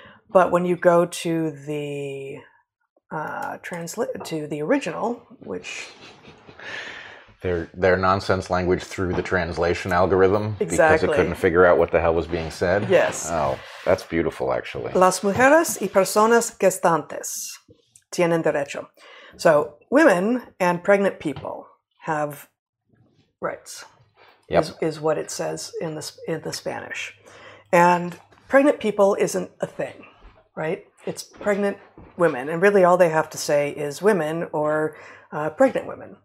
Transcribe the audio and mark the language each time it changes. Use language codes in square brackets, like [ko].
[en] But when you go to the... translate to the original, which their nonsense language through the translation algorithm. Exactly. Because it couldn't figure out what the hell was being said. Yes. Oh, that's beautiful, actually. [es] Las mujeres y personas gestantes tienen derecho. [en] So women and pregnant people have rights. Yep. Is what it says in the Spanish. And pregnant people isn't a thing, right? It's pregnant women, and really all they have to say is women or pregnant women.